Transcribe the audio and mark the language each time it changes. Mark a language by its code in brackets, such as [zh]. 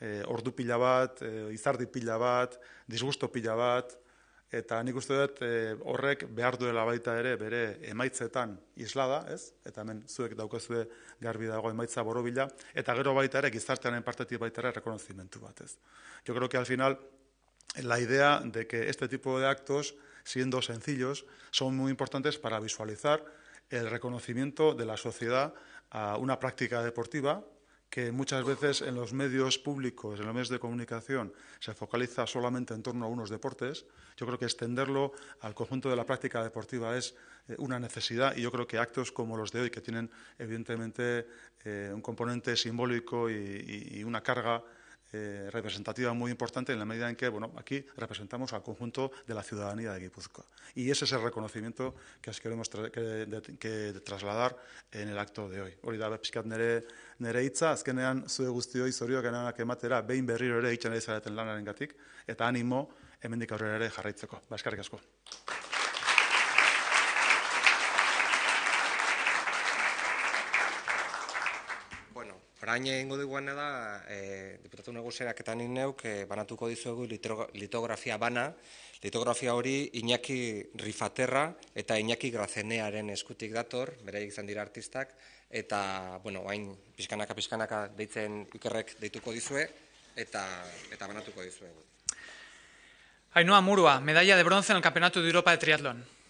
[eu] Ordu pila bat, izardi pila bat, disgusto pila bat, eta nik uste dut horrek behar duela baita ere bere emaitzetan islada, ez? Eta hemen zuek daukazue garbi dago emaitza borobila, eta gero baita ere gizartearen partetik baita ere rekonozimentu bat, ez? [es] Yo creo que al final la idea de que este tipo de actos, siendo sencillos, son muy importantes para visualizar el reconocimiento de la sociedad a una práctica deportiva, que muchas veces en los medios públicos, en los medios de comunicación, se focaliza solamente en torno a unos deportes. Yo creo que extenderlo al conjunto de la práctica deportiva es una necesidad y yo creo que actos como los de hoy, que tienen evidentemente un componente simbólico y una carga representativa muy importante en la medida en que bueno, aquí representamos al conjunto de la ciudadanía de Gipuzkoa. Y ese es el reconocimiento que os queremos que trasladar en el acto de hoy. [eu] Hori da pixkat nere hitza, azkenean zue guztioi zorionak ematera behin berriro ere itxan ari zareten lanaren gatik, eta animo hemendik aurrera ere jarraitzeko. Ba, eskarrik asko. Orain egingo duguena da, diputatu nagusiak eta nik neuk banatuko dizuegu litografia bana. Litografia hori Iñaki Rifaterra eta Iñaki Grazenearen eskutik dator, beraiek izan dira artistak, eta, bueno, hain pixkanaka deitzen Ikerrek deituko dizue, eta banatuko dizuegu. [es] Ainhoa Murua, medalla de bronce en el Campeonato de Europa de Triatlón.